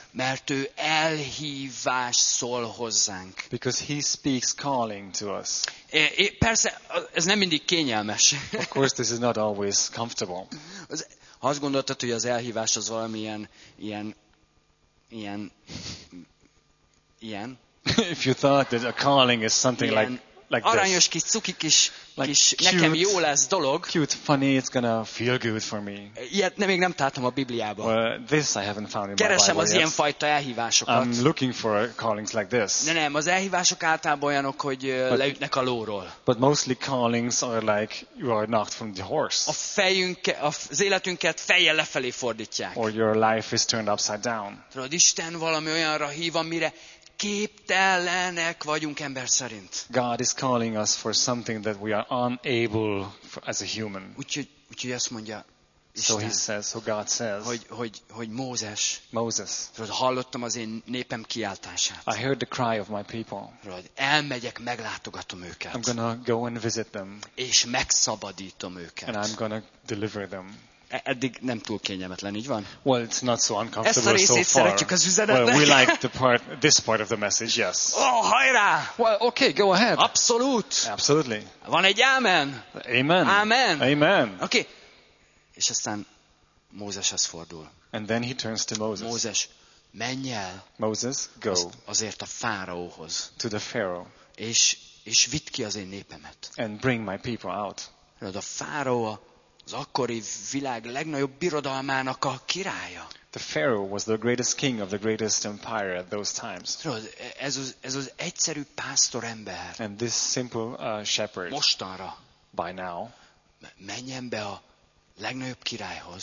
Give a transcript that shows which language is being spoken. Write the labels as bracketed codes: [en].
[hu] Mert ő elhívás szól hozzánk. [en] Because he speaks calling to us. [hu] Persze, ez nem mindig kényelmes. [en] Of course, this is not always comfortable. [hu] Ha azt gondoltad, hogy az elhívás az valamilyen ilyen. [en] If you thought that a calling is something like this. [hu] Aranyos kis cuki kis, [en] like [hu] kis [en] cute, [hu] nekem jó lesz dolog. [en] Cute, funny, it's gonna feel good for me. [hu] Ilyet még nem találtam a Bibliában. [en] Well, this I haven't found in my [hu] keresem [en] Bible [hu] az [en] yet. [hu] Ilyen fajta elhívásokat. [en] I'm looking for callings like this. [hu] Nem, az elhívások általában olyanok, hogy leütnek a lóról. [en] But mostly callings are like you are knocked from the horse. [hu] A az életünket fejjel lefelé fordítják. [en] Or your life is turned upside down. [hu] Tudod, Isten valami olyanra hív, amire képtelenek vagyunk ember szerint. [en] God is calling us for something that we are unable for, as a human. [hu] Úgyhogy azt mondja Isten. [en] So he says, so God says. [hu] Hogy Mózes. [en] Moses. [hu] Tudod, hallottam az én népem kiáltását. [en] I heard the cry of my people. [hu] Tudod, elmegyek, meglátogatom őket. [en] I'm gonna go and visit them. [hu] És megszabadítom őket. [en] And I'm gonna deliver them. [hu] Eddig nem túl kényelmetlen, így van? [en] Well, it's not so uncomfortable so far. [hu] Szeretjük az üzenetet. [en] Well, we like the part, this part of the message, yes. [hu] Oh, hajrá! [en] Well, okay, go ahead. [hu] Abszolút! [en] Absolutely. [hu] Van egy ámen. [en] Amen. Amen. Amen. Okay. [hu] És aztán Mózeshez fordul. [en] And then he turns to Moses. [hu] Mózes, menj el. [en] Moses, go. [hu] Azért a fáraóhoz. [en] To the Pharaoh. [hu] És vidd ki az én népemet. [en] And bring my people out. [hu] Tudod, a fáraó az akkori világ legnagyobb birodalmának a királya. [en] The Pharaoh was the greatest king of the greatest empire at those times. [hu] Ez az egyszerű pásztor ember. [en] And this simple shepherd. [hu] Mostanra. [en] By now. [hu] Menjen be a legnagyobb királyhoz.